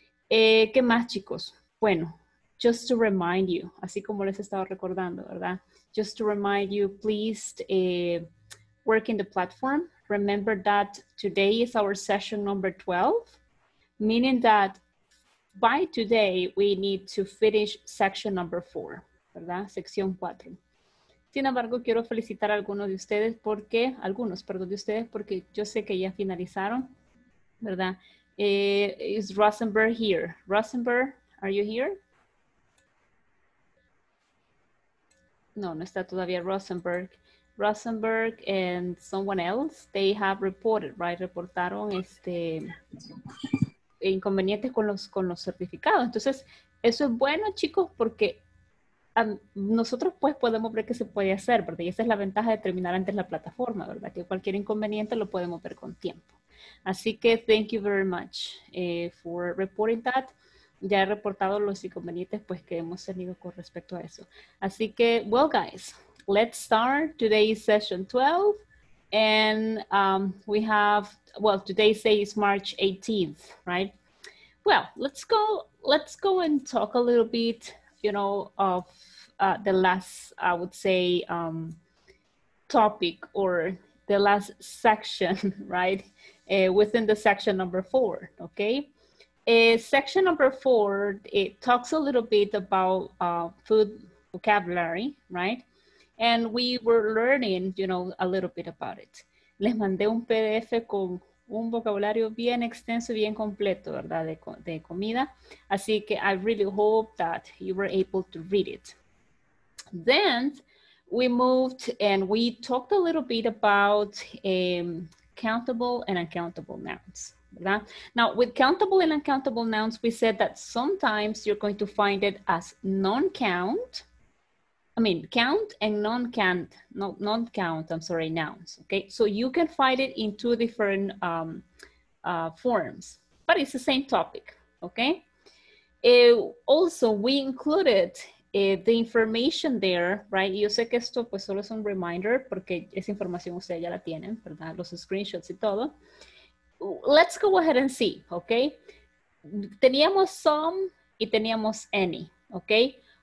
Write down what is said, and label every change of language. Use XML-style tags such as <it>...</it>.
<es>¿Qué más, chicos? Bueno,</es> <en>just to remind you,</en> <es>así como les estaba recordando, ¿verdad?</es> <en>Just to remind you, please, work in the platform. Remember that today is our session number 12, meaning that by today we need to finish section number 4,</en> <es>¿verdad? Sección 4. Sin embargo, quiero felicitar a algunos de ustedes porque, porque yo sé que ya finalizaron, ¿verdad?</es> <en>Is Rosenberg here? Rosenberg, are you here?</en> <es>No, no está todavía Rosenberg.</es> <en>Rosenberg and someone else, they have reported, right?</en> <es>Reportaron inconvenientes con los certificados. Entonces, eso es bueno, chicos, porque nosotros pues podemos ver que se puede hacer, ¿verdad? Y esa es la ventaja de terminar antes la plataforma, ¿verdad? Que cualquier inconveniente lo podemos ver con tiempo. Así que,</es> <en>thank you very much for reporting that.</en> <es>Ya he reportado los inconvenientes pues que hemos tenido con respecto a eso. Así que,</es> <en>well, guys, let's start today's session 12, and we have, well, today's day is March 18th, right? Well, let's go and talk a little bit, you know, of the last, I would say, topic or the last section, right? Within the section number 4, okay? Section number 4, it talks a little bit about food vocabulary, right? And we were learning, you know, a little bit about it.</en> <es>Les mandé un PDF con un vocabulario bien extenso, bien completo, ¿verdad? De comida. Así que</es> <en>I really hope that you were able to read it. Then we moved and we talked a little bit about countable and uncountable nouns,</en> <es>¿verdad?</es> <en>Now, with countable and uncountable nouns, we said that sometimes you're going to find it as non-count, I mean, count and non-count, I'm sorry, nouns, okay? So you can find it in two different forms, but it's the same topic, okay? Also, we included the information there, right?</en> <es>Yo sé que esto pues solo es un reminder porque esa información ustedes ya la tienen, ¿verdad? Los screenshots y todo.</es> <en>Let's go ahead and see, okay?</en> <es>Teníamos some y teníamos any, okay?</es>